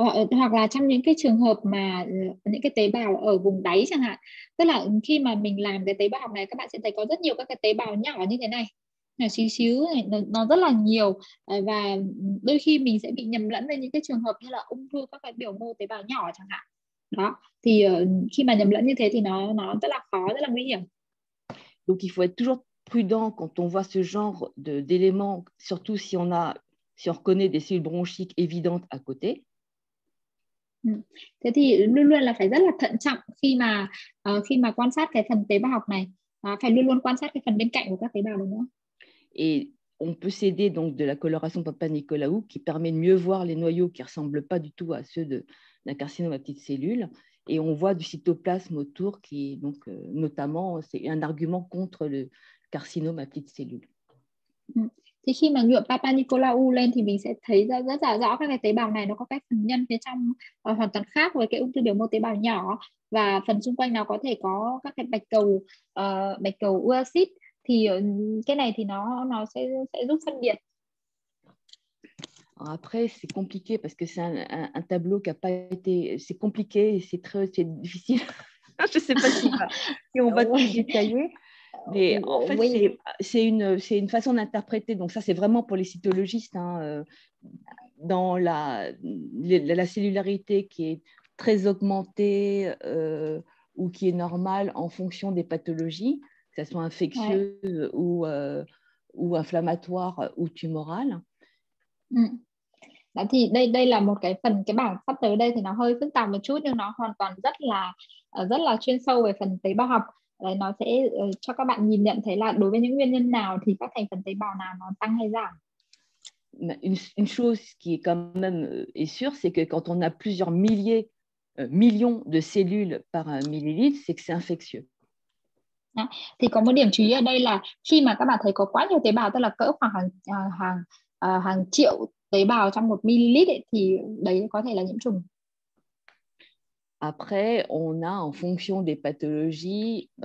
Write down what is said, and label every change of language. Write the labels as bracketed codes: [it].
[vi] Hoặc là trong những cái trường hợp mà những cái tế bào ở vùng đáy chẳng hạn, tức là khi mà mình làm cái tế bào học này, các bạn sẽ thấy có rất nhiều các cái tế bào nhỏ như thế này, nhỏ xíu xíu, nó rất là nhiều, và đôi khi mình sẽ bị nhầm lẫn với những cái trường hợp như là ung thư các cái biểu mô tế bào nhỏ chẳng hạn. Đó, thì khi mà nhầm lẫn như thế thì nó rất là khó, rất là nguy hiểm. [fr] Donc il faut être toujours prudent quand on voit ce genre d'éléments, surtout si on a si on reconnaît des cellules bronchiques évidentes à côté. [vi] Thế thì luôn luôn là phải rất là thận trọng khi mà quan sát cái phần tế bào học này, phải luôn luôn quan sát cái phần bên cạnh của các tế bào, đúng không? [fr] Et on peut s'aider donc de la coloration Papa Nicolaou qui permet de mieux voir les noyaux qui ressemblent pas du tout à ceux d'un carcinome à petites cellules, et on voit du cytoplasme autour qui donc notamment c'est un argument contre le carcinome à petites cellules. [vi] Thì khi mà nhuộm Papa Nicolaou lên thì mình sẽ thấy ra rất là rõ các cái tế bào này nó có cái phần nhân phía trong hoàn toàn khác với cái ung thư biểu mô tế bào nhỏ, và phần xung quanh nó có thể có các cái bạch cầu uracil. Thì cái này thì nó sẽ giúp phân biệt. [fr] Après, c'est compliqué parce que c'est un tableau qui a pas été. C'est compliqué, c'est difficile. Je sais pas si on va tout détailler. Mais en fait, oui. c'est une façon d'interpréter. Donc ça, c'est vraiment pour les cytologistes, hein, dans la cellularité qui est très augmentée ou qui est normale en fonction des pathologies, que ça soit infectieuse, ouais, ou inflammatoire ou tumorale. [vi] Đó thì đây là một cái bảng sắp tới đây thì nó hơi phức tạp một chút, nhưng nó hoàn toàn rất là chuyên sâu về phần tế bào học. Đấy, nó sẽ cho các bạn nhìn nhận thấy là đối với những nguyên nhân nào thì các thành phần tế bào nào nó tăng hay giảm. [fr] Une chose qui est quand même est sûre, c'est que quand on a plusieurs millions de cellules par millilitre, c'est que c'est infectieux. [vi] Đó. Thì có một điểm chú ý ở đây là khi mà các bạn thấy có quá nhiều tế bào, tức là cỡ khoảng hàng triệu tế bào trong một millilitre ấy, thì đấy có thể là nhiễm trùng. [fr] Après, on a en fonction des pathologies.